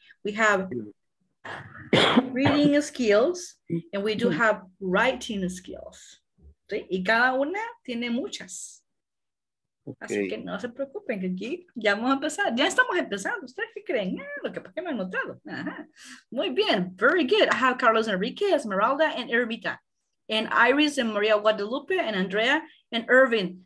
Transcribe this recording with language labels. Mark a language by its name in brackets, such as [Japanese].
[English] We have reading skills, and we do have writing skills. [Spanish] ¿Sí? Y cada una tiene muchas. Okay. Así que no se preocupen, que aquí ya vamos a empezar. Ya estamos empezando. ¿Ustedes qué creen? Lo que pasa es que me han notado. Ajá. Muy bien, [English] very good. I have Carlos Enrique, Esmeralda, and Irmita. And Iris, and Maria Guadalupe, and Andrea, and Irving.